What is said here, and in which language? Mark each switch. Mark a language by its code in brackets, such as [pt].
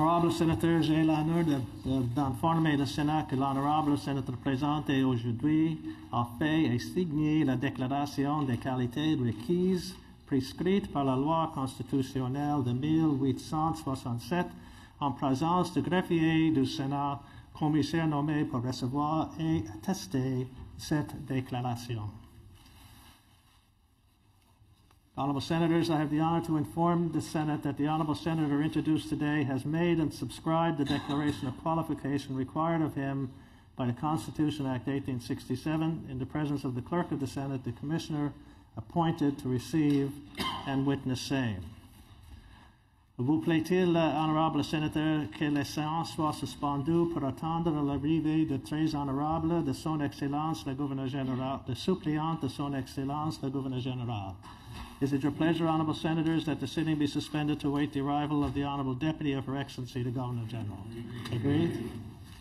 [en] Senators, [fr] j'ai l'honneur d'informer le Sénat que l'honorable sénateur présenté aujourd'hui a fait et signé la déclaration des qualités requises prescrites par la loi constitutionnelle de 1867 en présence du greffier du Sénat, commissaire nommé pour recevoir et attester cette déclaration. [en] Honorable Senators, I have the honor to inform the Senate that the Honorable Senator introduced today has made and subscribed the declaration of qualification required of him by the Constitution Act 1867 in the presence of the Clerk of the Senate, the Commissioner appointed to receive and witness same. [fr] Vous plaît-il, [en] Honorable Senator, [fr] que la séance soit suspendue pour attendre l'arrivée de très honorable de son excellence le gouverneur général, de suppléant de son excellence le gouverneur général? [en] Is it your pleasure, Honorable Senators, that the sitting be suspended to await the arrival of the Honorable Deputy of Her Excellency, the Governor General? Agreed?